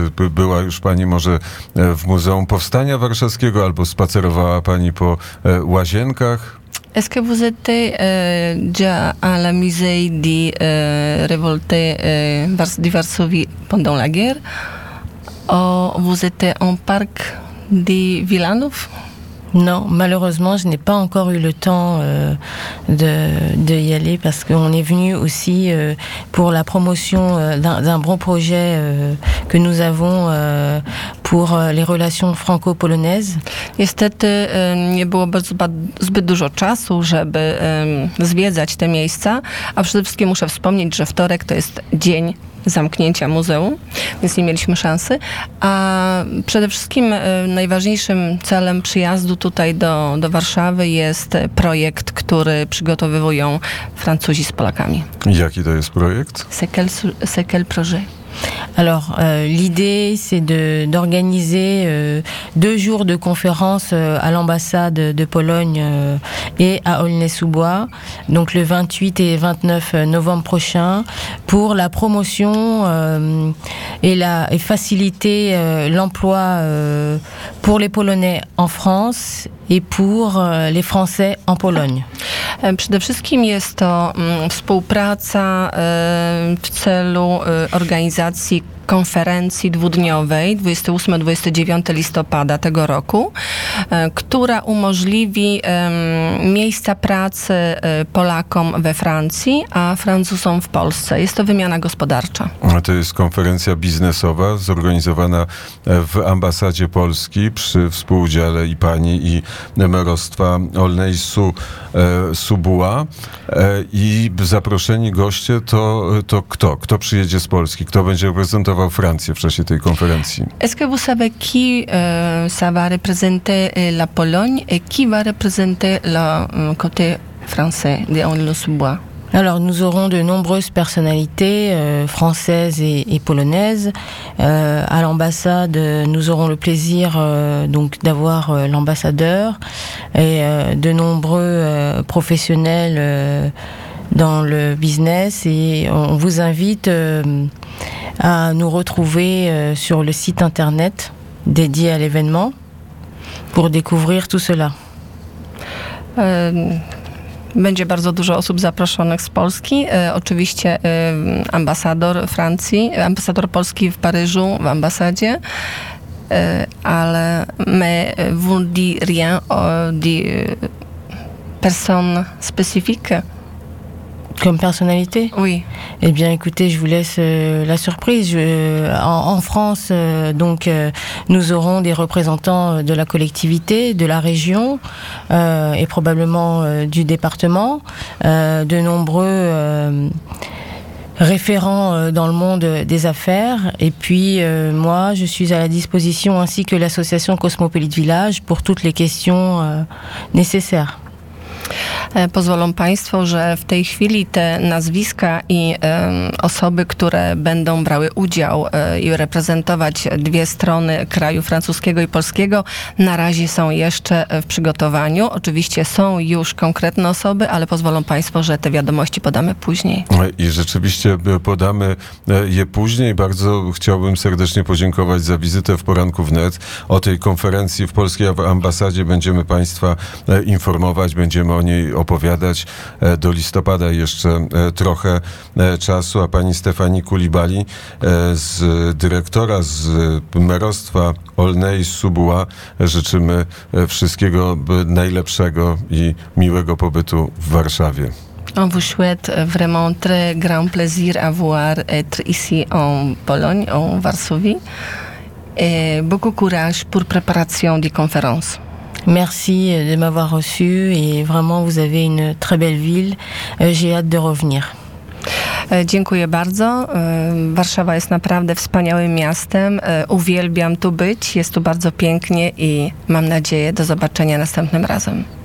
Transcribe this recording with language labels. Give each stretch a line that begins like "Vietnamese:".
Polish: Była już pani może w Muzeum Powstania Warszawskiego albo spacerowała pani po Łazienkach?
French: Est-ce que vous étiez déjà à la musée de révolte de Varsovie pendant la guerre? Ou vous étiez en parc de Wilanów? Non, malheureusement, je n'ai pas encore eu le temps de y aller parce qu'on est venu aussi pour la promotion d'un bon projet que nous avons pour les relations franco-polonaises.
Polish: Niestety nie było zbyt dużo czasu, żeby zwiedzać te miejsca, a przede wszystkim muszę wspomnieć, że wtorek to jest dzień zamknięcia muzeum, więc nie mieliśmy szansy. A przede wszystkim najważniejszym celem przyjazdu tutaj do Warszawy jest projekt, który przygotowują Francuzi z Polakami. Jaki to jest projekt? C'est quel projet?
French: Alors, l'idée, c'est d'organiser deux jours de conférences à l'ambassade de Pologne et à Aulnay-sous-Bois, donc le 28 et 29 novembre prochain, pour la promotion et faciliter l'emploi pour les Polonais en France et pour les Français en Pologne.
Polish: Przede wszystkim jest to współpraca w celu organizacji konferencji dwudniowej 28-29 listopada tego roku, która umożliwi miejsca pracy Polakom we Francji, a Francuzom w Polsce. Jest to wymiana gospodarcza. To jest konferencja biznesowa zorganizowana w ambasadzie Polski przy współudziale i pani, i mnóstwa Aulnay-sous-Bois. I zaproszeni goście to kto? Kto przyjedzie z Polski? Kto będzie reprezentował Francję w czasie tej konferencji?
French: Est-ce que vous savez qui ça va représenter la Pologne et qui va représenter le côté français de Aulnay-sous-Bois? Alors, nous aurons de nombreuses personnalités françaises et polonaises. À l'ambassade, nous aurons le plaisir donc d'avoir l'ambassadeur et de nombreux professionnels dans le business. Et on vous invite à nous retrouver sur le site internet dédié à l'événement pour découvrir tout cela.
Polish: Będzie bardzo dużo osób zaproszonych z Polski. Oczywiście ambasador Francji, ambasador Polski w Paryżu, w ambasadzie.
French: Ale my vous dis rien de personne spécifique. Comme personnalité? Oui. Eh bien, écoutez, je vous laisse la surprise. En France, nous aurons des représentants de la collectivité, de la région et probablement du département, de nombreux référents dans le monde des affaires. Et puis, moi, je suis à la disposition, ainsi que l'association Cosmopolite Village, pour toutes les questions nécessaires.
Polish: Pozwolą Państwo, że w tej chwili te nazwiska i osoby, które będą brały udział i reprezentować dwie strony kraju francuskiego i polskiego, na razie są jeszcze w przygotowaniu. Oczywiście są już konkretne osoby, ale pozwolą Państwo, że te wiadomości podamy później. I rzeczywiście podamy je później. Bardzo chciałbym serdecznie podziękować za wizytę w Poranku Wnet. O tej konferencji w polskiej ambasadzie będziemy Państwa informować, będziemy o niej opowiadać. Do listopada jeszcze trochę czasu, a pani Stefani Kulibali, z dyrektora z mnóstwa Aulnay-sous-Bois, życzymy wszystkiego najlepszego i miłego pobytu w Warszawie.
French: On vous souhaite vraiment très grand plaisir à voir être ici en Pologne, en Varsovie. Beaucoup courage pour préparation des conférences. Merci de m'avoir reçu et vraiment vous avez une très belle ville. J'ai hâte de revenir.
Polish: Dziękuję bardzo. Warszawa jest naprawdę wspaniałym miastem. Uwielbiam tu być. Jest tu bardzo pięknie i mam nadzieję do zobaczenia następnym razem.